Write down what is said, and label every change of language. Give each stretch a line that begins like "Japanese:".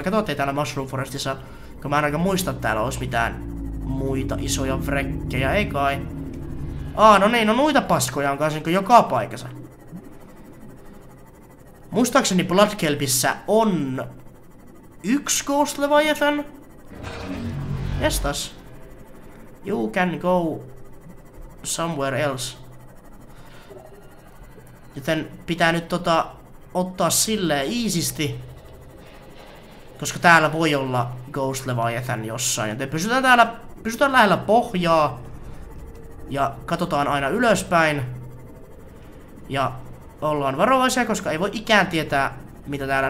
Finnish: Mä katsoin, ettei täällä Mushroom Forestissa, kun mä en aika muista, että täällä olisi mitään muita isoja frekkejä, ei kai. No niin, no muita paskoja on kanssa joka paikassa. Muistaakseni Bloodkelpissä on yksi Ghost Leviathan. Jestas.
English: You can go somewhere else.
Finnish: Joten pitää nyt ottaa silleen iisisti. Koska täällä voi olla Ghost Leviathan jossain. Joten pysytään täällä, pysytään lähellä pohjaa. Ja katsotaan aina ylöspäin. Ja ollaan varovaisia, koska ei voi ikään tietää mitä täällä.